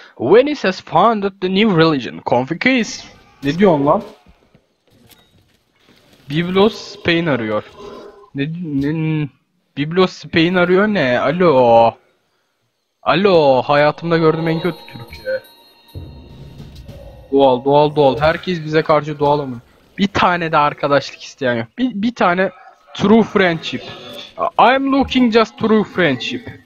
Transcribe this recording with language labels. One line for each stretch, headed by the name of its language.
English: When it has founded the new religion, Confucius.
Turkish: Ne diyorsun lan? Biblos Spain arıyor. Ne Biblos Spain arıyor ne? Alo. Alo, hayatımda gördüğüm en kötü Türkçe. Doğal, doğal, doğal. Herkes bize karşı doğal ama. Bir tane de arkadaşlık isteyen yok. Bir tane
English: true friendship. I'm looking just true friendship.